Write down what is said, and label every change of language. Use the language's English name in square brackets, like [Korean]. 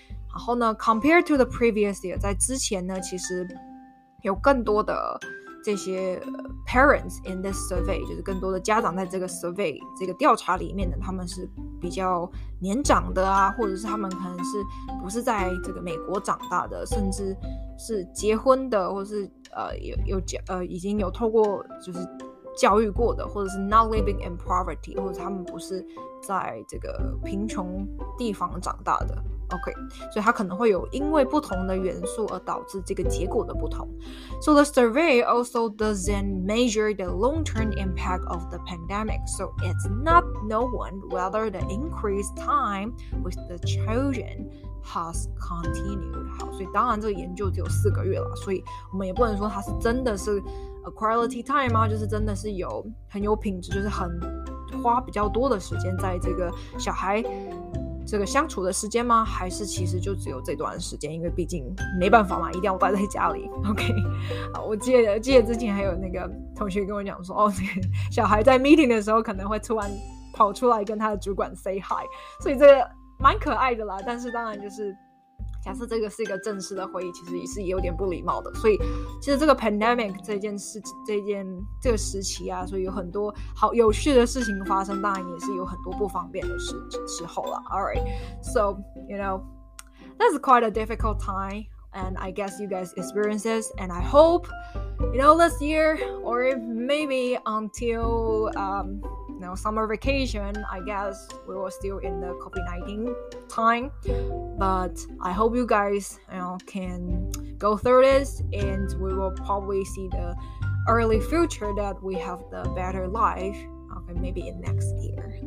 [Chinese] 然后呢 [English] compared to the previous year, [Chinese] 在之前呢其实有更多的这些 [English] parents in this survey, [Chinese] 就是更多的家长在这个 survey 这个调查里面呢，他们是比较年长的啊，或者是他们可能是不是在这个美国长大的，甚至是结婚的，或者是已经有透过就是教育过的，或者是 [English] not living in poverty, [Chinese] 或者他们不是在这个贫穷地方长大的。 OK, 所以它可能会有因为不同的元素而导致这个结果的不同。 [English] So the survey also doesn't measure the long-term impact of the pandemic, so it's not known whether the increased time with the children has continued. [Chinese] 好，所以当然这个研究只有四个月了，所以我们也不能说它是真的是 [English] a quality time [Chinese] 啊，就是真的是有很有品质，就是很花比较多的时间在这个小孩这个相处的时间吗？还是其实就只有这段时间？因为毕竟没办法嘛，一定要待在家里。 OK, 我记得之前还有那个同学跟我讲说，哦，这个小孩在 meeting 的时候可能会突然跑出来跟他的主管 [English] say hi, [Chinese] 所以这个蛮可爱的啦。但是当然就是，假设这个是一个正式的会议，其实也是有点不礼貌的。所以其实这个 pandemic 这件事这个时期啊，所以有很多好有趣的事情发生，当然也是有很多不方便的时候啦。 [English] Alright, so you know, that's quite a difficult time, and I guess you guys experience this, and I hope you know this year or maybe until now, summer vacation, I guess we were still in the COVID-19 time, but I hope you guys, you know, can go through this, and we will probably see the early future that we have the better life, okay, maybe in next year.